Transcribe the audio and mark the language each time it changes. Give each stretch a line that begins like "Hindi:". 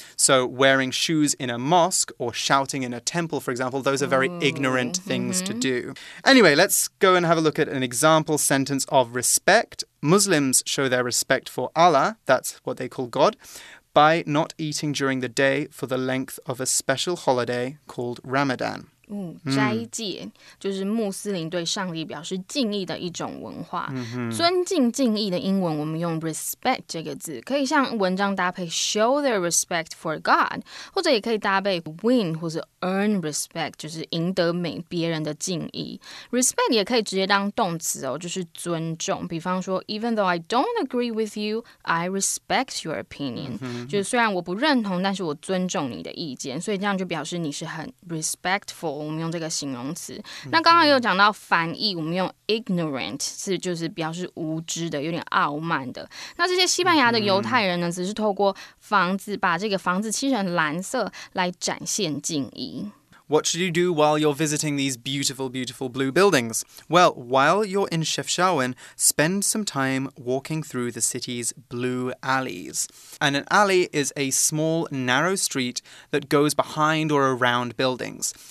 English: So wearing shoes in a mosque or shouting in a temple, for example, those are very ignorant things to do. Anyway, let's go and have a look at an example sentence of respect. Muslims show their respect for Allah, that's what they call God, by not eating during the day for the length of a special holiday called Ramadan.
Chinese: 斋戒就是穆斯林对上帝表示敬意的一种文化。尊敬敬意的英文我们用 respect 这个字，可以像文章搭配
English: show their respect for God，
Chinese: 或者也可以搭配 win 或是
English: earn respect，
Chinese: 就是赢得别人的敬意。 Respect 也可以直接当动词哦，就是尊重，比方说
English: even though I don't agree with you I respect your opinion、
Chinese: 就是虽然我不认同，但是我尊重你的意见，所以这样就表示你是很 respectful，我们用这个形容词。那刚刚有讲到翻译，我们用 ignorant 是就是表示无知的，有点傲慢的。那这些西班牙的犹太人呢，只是透过房子把这个房子漆成蓝色来展现敬意。
English: What should you do while you're visiting these beautiful, beautiful blue buildings? Well, while you're in Chefchaouen, spend some time walking through the city's blue alleys. And an alley is a small, narrow street that goes behind or around buildings.